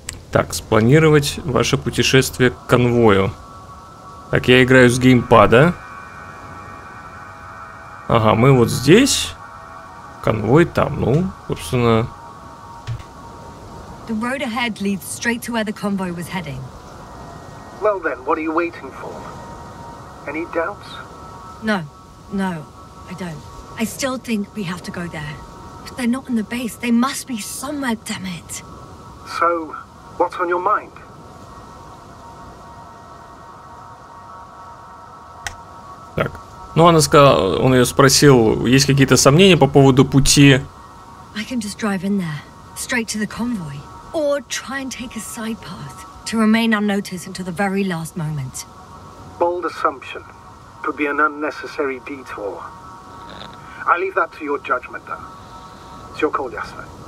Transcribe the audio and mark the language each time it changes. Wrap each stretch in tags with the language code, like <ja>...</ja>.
<ru>Так, спланировать ваше путешествие к конвою. Так, я играю с геймпада. Ага, мы вот здесь, конвой там, ну, собственно.</ru> <en>The road ahead leads straight to where the convoy was heading. Well then, what are you waiting for? Any doubts? No, I don't. I still think we have to go there. But they're not in the base, they must be somewhere, damn it. So, what's on your mind?</en> <ru>Так. Ну, она сказала, он ее спросил, есть какие-то сомнения по поводу пути.</ru> <en>I can just drive in there, straight to the convoy, or try and take a side path to remain unnoticed until the very last moment. Bold assumption. Could be an unnecessary detour. I leave that to your judgment, then. It's your call, Jasper.</en>